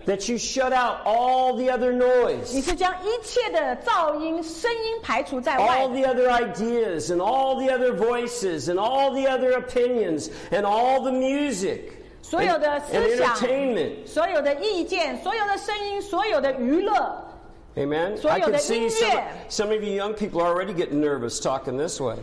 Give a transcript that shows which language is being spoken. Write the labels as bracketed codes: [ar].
[en] that you shut out all the other noise. [zh] 你是将一切的噪音,声音排除在外, [en] all the other ideas and all the other voices and all the other opinions and all the music [zh] 所有的思想, [en] and entertainment. [zh] 所有的意见, 所有的声音, 所有的娱乐, [en] Amen. I can see some of you young people are already getting nervous talking this way.